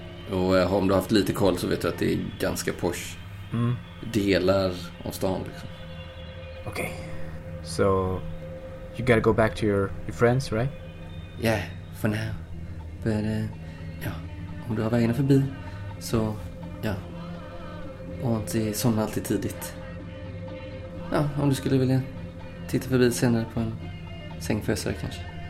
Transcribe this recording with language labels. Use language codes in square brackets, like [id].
[sv] Och om du har haft lite koll så vet du att det är ganska posh. Mm. Delar av stan liksom. [en] Okay. So, you gotta go back to your friends, right? Yeah, for now. [sv] But, ja, om du har vägarna förbi så, ja. Och inte somna alltid tidigt. Ja, om du skulle vilja titta förbi senare på en sängfösare kanske.